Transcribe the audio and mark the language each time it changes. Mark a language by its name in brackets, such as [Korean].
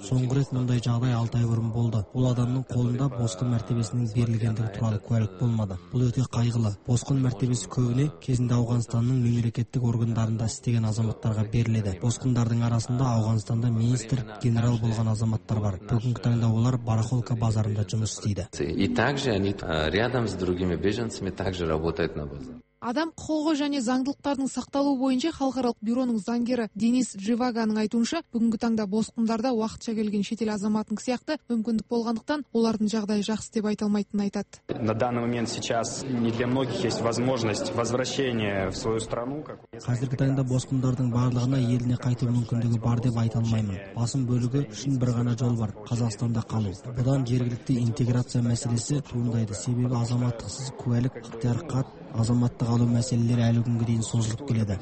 [Kazakh] Соңғы рет мұндай жағдай 6 ай бұрын болды. Ол адамның қолында босқын мәртебесінің берілгендігі туралы куәлік болмады. Бұл өте қайғылы. Босқын мәртебесі көбіне кезінде Ауғанстанның мемлекеттік органдарында істеген азаматтарға беріледі. Босқындардың арасында Ауғанстанда министр, генерал болған азаматтар бар. Бүгінгі таңда олар барахолка базарында жұмыс істейді. [Russian] И также они рядом с другими беженцами также работают на базаре. [Kazakh] Адам құқығы және заңдылықтардың сақталуы бойынша халықаралық бюроның заңгері Денис Живаганың айтуынша, бүгінгі таңда босқындарда уақытша келген шетел азаматының сияқты мүмкіндік болғандықтан олардың жағдайы жақсы деп айта алмайтынын айтады. [Russian] На данный момент сейчас не для многих есть возможность возвращения в свою страну. [Kazakh] Қазіргі таңда босқындардың барлығына еліне қайту мүмкіндігі бар деп айта алмаймын. Басым бөлігі үшін бір ғана жол бар – Қазақстанда қалу. Бұдан жергілікті интеграция мәселесі туындайды. Себебі азаматтықсыз куәлік қат азаматтық алу мәселелері әлі күнге дейін созылып келеді.